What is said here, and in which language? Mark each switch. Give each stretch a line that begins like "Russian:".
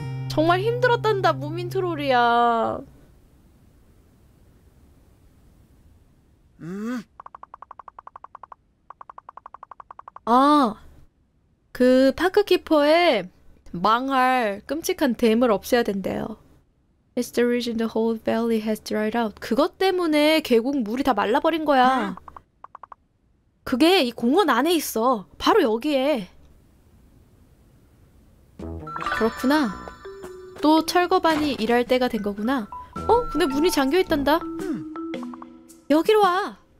Korean: 정말 힘들었단다, 무민 트롤이야. 아, 그 파크키퍼의 망할 끔찍한 댐을 없애야 된대요.
English: It's the reason the whole valley has dried out.
Korean: 그것 때문에 계곡 물이 다 말라버린 거야. 그게 이 공원 안에 있어. 바로 여기에. 그렇구나. 또 철거반이 일할 때가 된 거구나. 어? 근데 문이 잠겨있단다. 여기로 와.